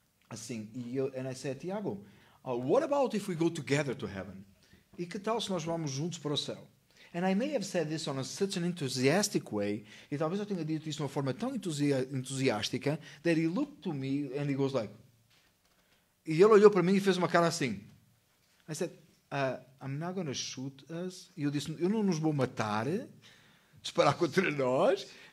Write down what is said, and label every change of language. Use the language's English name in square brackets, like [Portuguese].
[English] Assim, and I said, Tiago, what about if we go together to heaven? [Portuguese] E que tal se nós vamos juntos para o céu? [English] And I may have said this on such an enthusiastic way, [Portuguese] e talvez eu tenha dito isso de uma forma tão entusiástica, [English] that he looked to me and he goes like, [Portuguese] e ele olhou para mim e fez uma cara assim. [English] I said, I'm not going to shoot us. [Portuguese] E eu disse, eu não nos vou matar, disparar contra nós.